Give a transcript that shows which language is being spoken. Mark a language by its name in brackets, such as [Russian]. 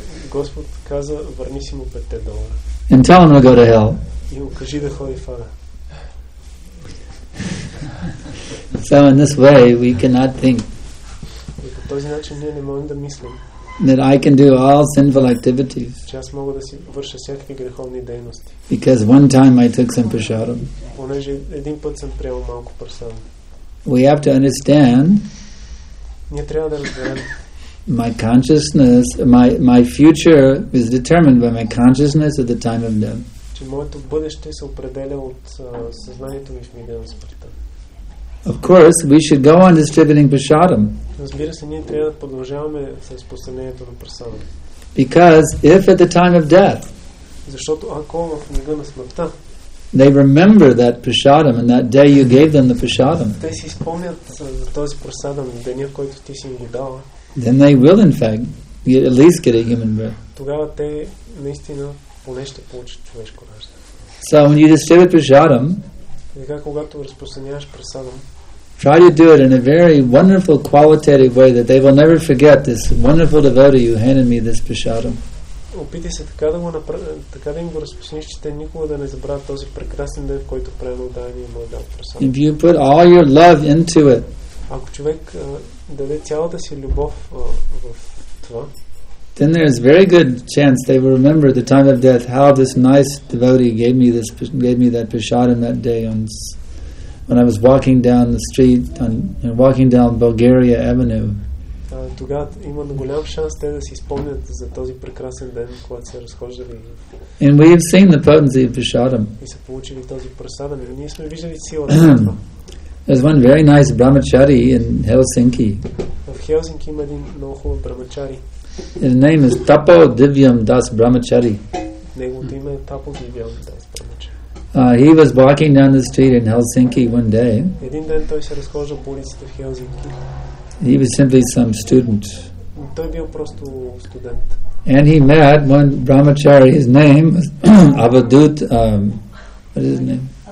[Bulgarian] Господ каза, върни си му 5 долара. [English] And tell him to go to hell. [Bulgarian] И му кажи да ходи в ада. [English] So in this way, we cannot think. [Bulgarian] И по този начин ние не можем да мислим. [English] That I can do all sinful activities. [Bulgarian] Че аз мога да си върша всякакви греховни дейности. [English] Because one time I took some prasadam. [Bulgarian] Понеже един път съм приел малко прасадам. [English] We have to understand. [Bulgarian] Ние трябва да разберем. [English] My consciousness, my future is determined by my consciousness at the time of death. [Bulgarian] Че моето бъдеще се определя от съзнанието ми в мига на смъртта. [English] Of course, we should go on distributing prasadam. [Bulgarian] Разбира се, ние трябва да продължаваме с разпространението на прасадам. [English] Because if at the time of death, [Bulgarian] защото ако в мига на смъртта, [English] they remember that prasadam and that day you gave them the prasadam, [Bulgarian] те си спомнят за този прасадам, деня, който ти си им го дала, [English] then they will in fact get, at least get a human birth. [Bulgarian] Тогава те наистина поне ще получат човешко раждане. [English] So when you distribute prasadam, [Bulgarian] когато разпространяваш прасадам, [English] Try to do it in a very wonderful qualitative way that they will never forget this wonderful devotee who handed me this prasadam. [Bulgarian] Опитай се така да го така да им го разпусниш, че те никога да не забравят този прекрасен ден, в който предал дания му дал прасад. [English] If you put all your love into it. [Bulgarian] Ако човек даде цялата си любов в това, [English] then there is very good chance they will remember the time of death, how this nice devotee gave me that prasadam that day when I was walking down the street and walking down Bulgaria Avenue. [Bulgarian] Тогава има голям шанс те да си спомнят за този прекрасен ден, когато се разхождали. [English] And we have seen the potency of prasadam. [Bulgarian] И са получили този прасадам. И ние сме виждали силата. [English] There's one very nice brahmachari in Helsinki. [Bulgarian] В Хелсинки има един много хубав брамачари. [English] His name is Tapo Divyam Das Brahmachari. [Bulgarian] Неговото име е Tapo Divyam Das Brahmachari. [English] He was walking down the street in Helsinki one day. [Bulgarian] Един ден той се разхожда по улиците в Хелсинки. [English] He was simply some student. [Bulgarian] Той бил просто студент. [English] And he met one brahmachari, his name was Avadhut, what is his name?